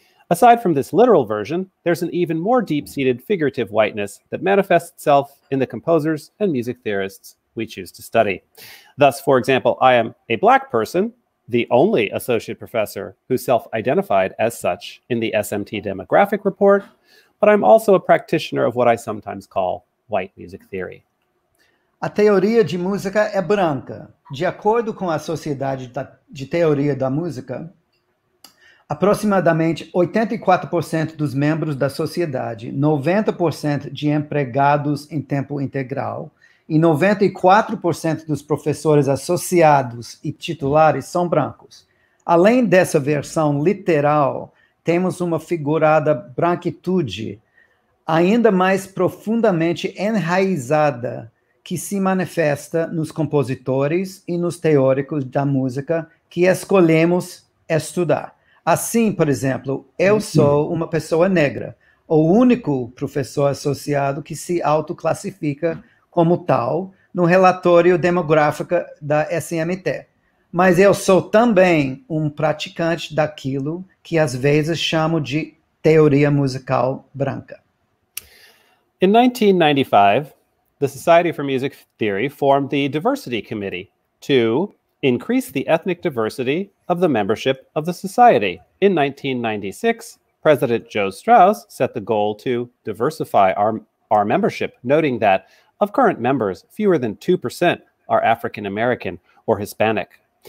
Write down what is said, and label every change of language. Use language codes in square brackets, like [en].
[en] Aside from this literal version, there's an even more deep-seated figurative whiteness that manifests itself in the composers and music theorists we choose to study. Thus, for example, I am a black person, the only associate professor who self-identified as such in the SMT demographic report, but I'm also a practitioner of what I sometimes call white music theory. [pt] A teoria de música é branca. De acordo com a Sociedade de Teoria da Música, aproximadamente 84% dos membros da sociedade, 90% de empregados em tempo integral e 94% dos professores associados e titulares são brancos. Além dessa versão literal, temos uma figurada branquitude ainda mais profundamente enraizada que se manifesta nos compositores e nos teóricos da música que escolhemos estudar. Assim, por exemplo, eu sou uma pessoa negra, o único professor associado que se autoclassifica como tal no relatório demográfico da SMT. Mas eu sou também um praticante daquilo que às vezes chamo de teoria musical branca. [en] In 1995, the Society for Music Theory formed the Diversity Committee to increase the ethnic diversity of the membership of the society. In 1996, President Joe Strauss set the goal to diversify our membership, noting that of current members, fewer than 2% are African American or Hispanic.